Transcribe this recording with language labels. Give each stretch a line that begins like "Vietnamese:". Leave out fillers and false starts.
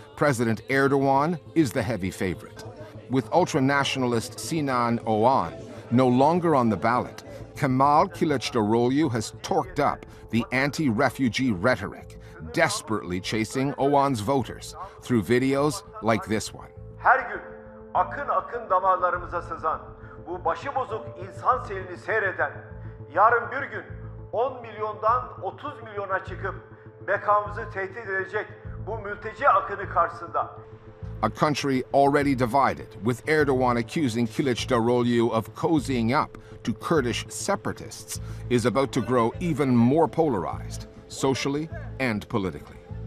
English: President Erdoğan is the heavy favorite. With ultra-nationalist Sinan Oğan no longer on the ballot, Kemal Kılıçdaroğlu has torqued up the anti-refugee rhetoric, desperately chasing Oğan's voters through videos like this one.
Turkish: Her gün akın akın damarlarımıza sızan, bu başı bozuk insan selini seyreden, yarın bir gün 10 milyondan 30 milyona çıkıp bekamızı tehdit edecek bu mülteci akını karşısında.
English: A country already divided, with Erdoğan accusing Kılıçdaroğlu of cozying up to Kurdish separatists, is about to grow even more polarized, socially and politically.